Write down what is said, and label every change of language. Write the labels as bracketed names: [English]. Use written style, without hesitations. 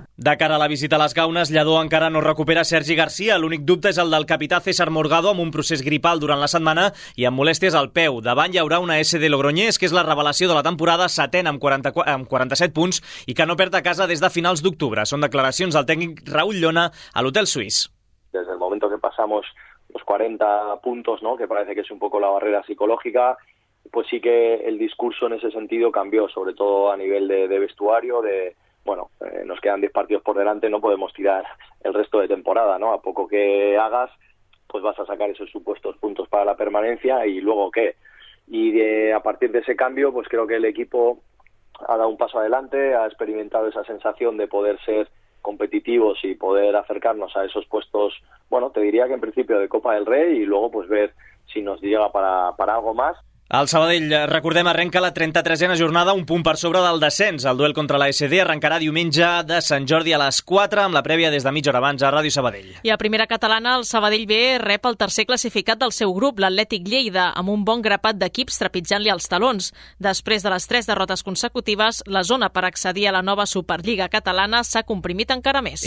[Catalan] De cara a la visita a les Gaunes, Lladó encara no recupera Sergi García. L'únic dubte és el del capità César Morgado amb un procés gripal durant la setmana i amb molèsties al peu. Davant hi haurà una SD Logroñés, que és la revelació de la temporada, setena amb 47 punts i que no perd a casa des de finals d'octubre. Són declaracions del tècnic Raúl Llona a l'Hotel Suís. [Spanish] Desde el momento que pasamos los 40 puntos, ¿no?, que parece que es un poco la barrera psicológica, pues sí que el discurso en ese sentido cambió, sobre todo a nivel de vestuario, nos quedan 10 partidos por delante, no podemos tirar el resto de temporada, ¿no? A poco que hagas, pues vas a sacar esos supuestos puntos para la permanencia, ¿y luego qué? Y a partir de ese cambio, pues creo que el equipo ha dado un paso adelante, ha experimentado esa sensación de poder ser competitivos y poder acercarnos a esos puestos, bueno, te diría que en principio de Copa del Rey y luego pues ver si nos llega para algo más. [Catalan] El Sabadell, recordem, arrenca la 33a jornada, un punt per sobre del descens. El duel contra la SD arrencarà diumenge de Sant Jordi a les 4, amb la prèvia des de mitja hora abans a Ràdio Sabadell. I a Primera Catalana, el Sabadell B rep el tercer classificat del seu grup, l'Atlètic Lleida, amb un bon grapat d'equips trepitjant-li els talons. Després de les 3 derrotes consecutives, la zona per accedir a la nova Superliga Catalana s'ha comprimit encara més.